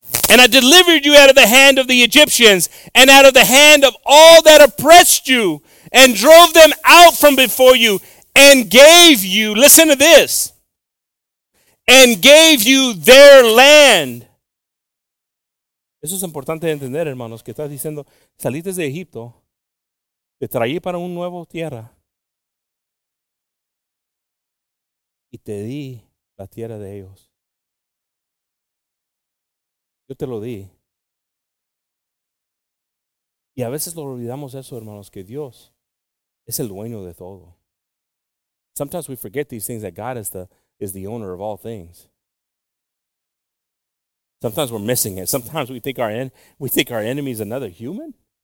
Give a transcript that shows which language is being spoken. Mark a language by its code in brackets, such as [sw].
[en] And I delivered you out of the hand of the Egyptians and out of the hand of all that oppressed you and drove them out from before you and gave you, listen to this, and gave you their land. [es] Eso es importante entender, hermanos, que estás diciendo, saliste de Egipto, te traí para un nuevo tierra. Y te di la tierra de ellos. Yo te lo di. Y a veces lo olvidamos eso, hermanos, que Dios es el dueño de todo. [en] Sometimes we forget these things, that God is the owner of all things. Sometimes we're missing it. Sometimes we think our enemy is another human.